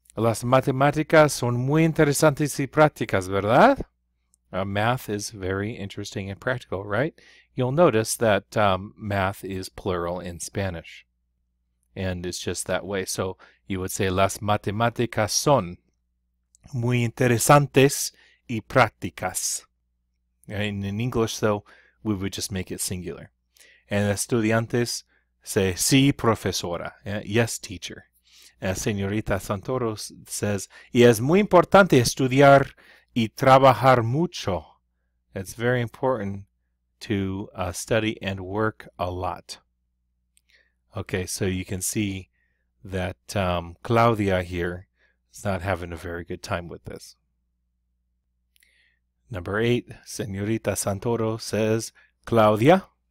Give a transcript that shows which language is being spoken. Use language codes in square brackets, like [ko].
[es] Las matemáticas son muy interesantes y prácticas, ¿verdad? [en] Math is very interesting and practical, right? You'll notice that math is plural in Spanish. And it's just that way. So you would say, [es] las matemáticas son muy interesantes y prácticas. [en] And in English, though, we would just make it singular. And estudiantes say, [es] sí, profesora. [en] Yes, teacher. [es] Señorita Santoro says, y es muy importante estudiar y trabajar mucho. [en] It's very important to study and work a lot. Okay, so you can see that Claudia here is not having a very good time with this. Number eight, Señorita Santoro says, Claudia.